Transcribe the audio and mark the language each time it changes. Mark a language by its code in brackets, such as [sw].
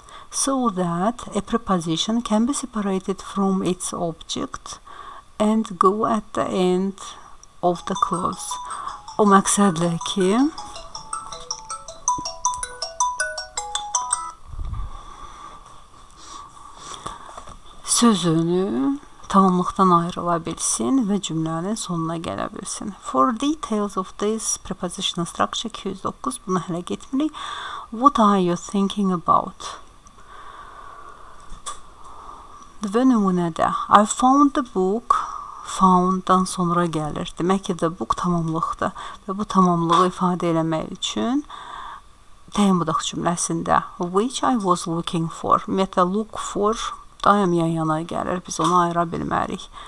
[en] So that a preposition can be separated from its object and go at the end of the clause. [az] O məqsədlə ki, sözünü tamamlıqdan ayrıla bilsin və cümlənin sonuna gələ bilsin. [en] For details of this prepositional structure, [az] 209, bunu hələ getmirik. [en] What are you thinking about? [az] Və nümunədə, [en] I found the book, [az] found-dan sonra gəlir. Demək ki, the book tamamlıqdır və bu tamamlığı ifadə eləmək üçün təyin budaq cümləsində, [en] which I was looking for, [az] ümumiyyətlə, look for, daim yan-yana gəlir, biz onu ayıra bilmərik.